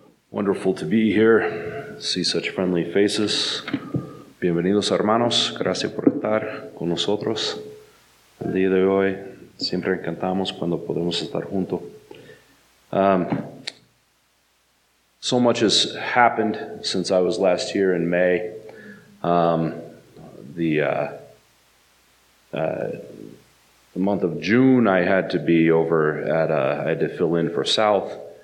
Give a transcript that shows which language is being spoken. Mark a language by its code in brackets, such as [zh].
[en] Wonderful to be here, see such friendly faces. [es] Bienvenidos, hermanos. Gracias por estar con nosotros. El día de hoy, siempre encantamos cuando podemos estar juntos. [en] So much has happened since I was last here in May. The month of June, I had to be over at, I had to fill in for South.